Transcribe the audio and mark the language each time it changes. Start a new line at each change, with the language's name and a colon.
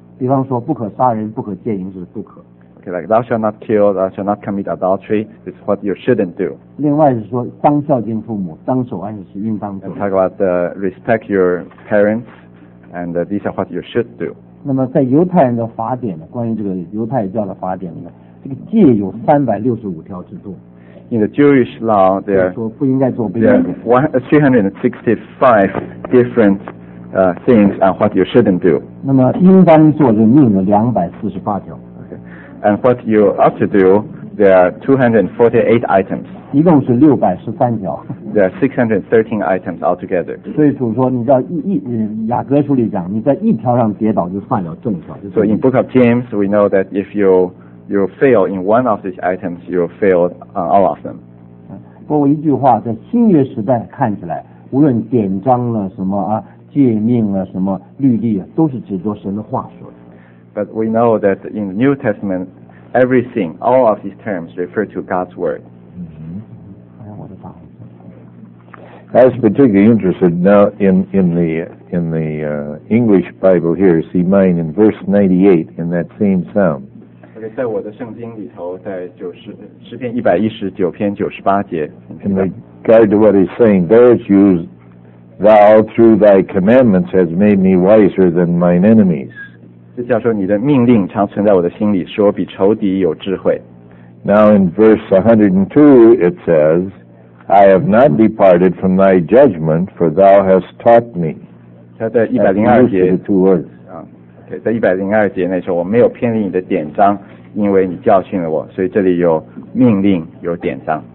Chinese: 比方说，不可杀人，不可奸淫，是不可。
English: Okay, like thou shalt not kill, thou shalt not commit adultery. It's what you shouldn't do.
Chinese: 另外是说，当孝敬父母，当守安是应当做。
English: And talk about the respect your parents, and these are what you should do.
Chinese: 那么在犹太人的法典呢，关于这个犹太教的法典里面。这个戒有365条之多。
English: In the Jewish law, there are
Chinese: 说不应该做，不应该做。
English: There are 365 different things on what you shouldn't do.
Chinese: 那么应当做就命了248条。
English: Okay. And what you ought to do, there are 248 items.
Chinese: 一共是613条。
English: There are 613 items altogether.
Chinese: 所以主说，你知道雅各书里讲，你在一条上跌倒就犯了重条。
English: So in Book of James, we know that if you fail in one of these items, you fail on all of them.
Chinese: 不过一句话，在新约时代看起来，无论典章了什么啊，诫命了什么，律例啊，都是指着神的话说的。
English: But we know that in the New Testament, everything, all of these terms refer to God's word. 嗯哼，哎，
Chinese: 我的大。
English: I was particularly interested now in the English Bible here. See mine in verse 98 in that same psalm.
Chinese: 在我的圣经里头，在诗篇119篇98节。
English: In regard to what he's saying, there it's used, thou through thy commandments has made me wiser than mine enemies.
Chinese: 这叫说你的命令常存在我的心里，使我比仇敌有智慧。
English: Now in verse 102 it says, I have not departed from thy judgment, for thou hast taught me.
Chinese: 他在102节。 Okay, 在102节那时候，我没有偏离你的典章，因为你教训了我，所以这里有命令，有典章。